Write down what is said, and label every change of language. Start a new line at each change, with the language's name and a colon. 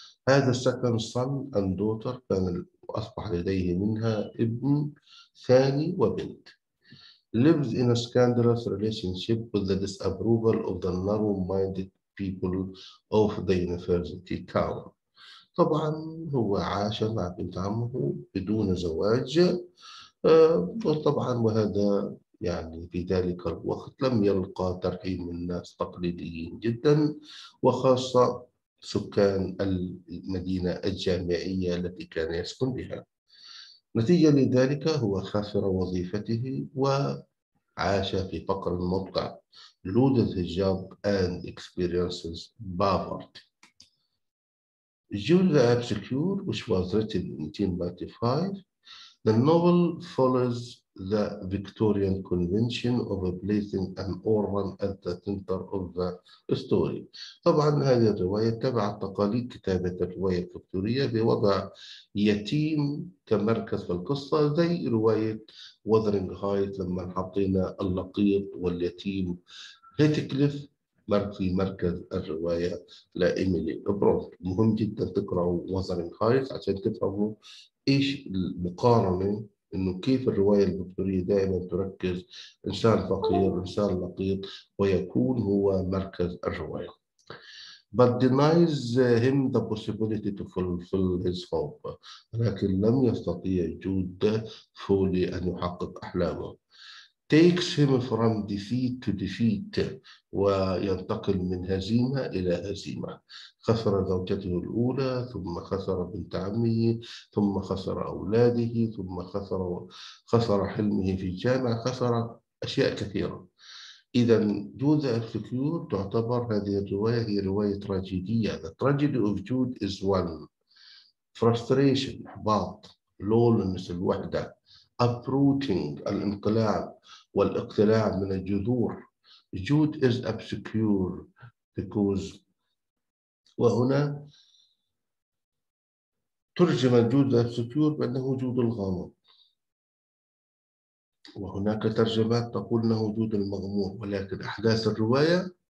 Arabic: هذا
English: second son and daughter،
Arabic: كان أصبح لديه منها ابن ثاني وبنت.
English: Lives in a scandalous relationship with the disapproval of the narrow-minded people of the university town.
Arabic: طبعا هو عاش مع بنت عمه بدون زواج، وطبعا وهذا يعني في ذلك الوقت لم يلقى ترحيم من الناس تقليديين جدا، وخاصة سكان المدينة الجامعية التي كان يسكن بها. نتيجة لذلك هو خسر وظيفته وعاش في فقر مقطع،
English: loses his job and experiences poverty. Jude the Obscure, which was written in 1895, the novel follows the Victorian convention of placing an organ at the center of the story.
Arabic: طبعا هذه الرواية تبعت تقاليد كتابة الرواية الفكتورية بوضع يتيم كمركز في القصة، زي رواية وذرينغ هايت لما حطينا اللقيط واليتيم هيتكليف في مركز الرواية لإيميلي برونت. مهم جدا تقرأوا وذرينغ هايت عشان تفهموا إيش المقارنة، إنه كيف الرواية الفكتورية دائما تركز إنسان فقير إنسان لقيط ويكون هو مركز الرواية.
English: But denies him the possibility to fulfill his hope.
Arabic: لكن لم يستطيع جود فولي أن يحقق أحلامه.
English: Takes him from defeat to defeat.
Arabic: وينتقل من هزيمة إلى هزيمة. خسر زوجته الأولى، ثم خسر بنت عمه، ثم خسر أولاده، ثم خسر حلمه في الجامعة، خسر أشياء كثيرة. إذن Jude the Obscure تعتبر هذه الرواية هي رواية تراجيدية.
English: The tragedy of Jude is one.
Arabic: Frustration، إحباط، loneliness، الوحدة، uprooting، الانقلاب والاقتلاع من الجذور. Jude is obscure because، وهنا ترجم Jude the Obscure بأنه جود الغامض، وهناك ترجمات تقول أنه جود المغمور، ولكن أحداث الرواية